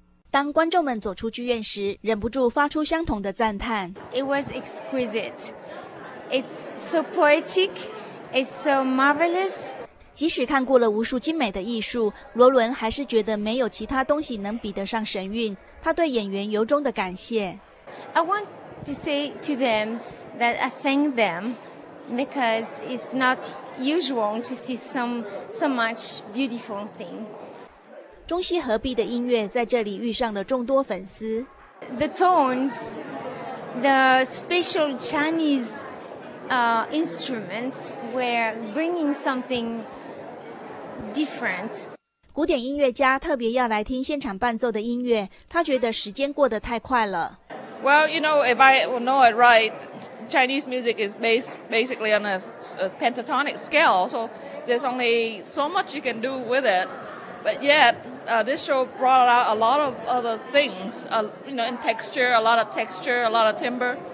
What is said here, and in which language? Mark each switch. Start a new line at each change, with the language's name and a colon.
Chinese: 当观众们走出剧院时，忍不住发出相同的赞叹。
English: It was exquisite. It's so poetic. It's so marvelous.
Chinese: 即使看过了无数精美的艺术，罗伦还是觉得没有其他东西能比得上神韵。他对演员由衷的感谢。
English: I want to say to them that I thank them because it's not usual to see so much beautiful thing.
Chinese: 中西合璧的音乐在这里遇上了众多粉丝。
English: The tones, the special Chinese instruments were bringing something. Different.
Chinese: 古典音乐家特别要来听现场伴奏的音乐，他觉得时间过得太快了。
English: Well, you know, if I know it right, Chinese music is basically on a pentatonic scale, so there's only so much you can do with it. But yet, this show brought out a lot of other things, you know, in texture, a lot of texture, a lot of timber.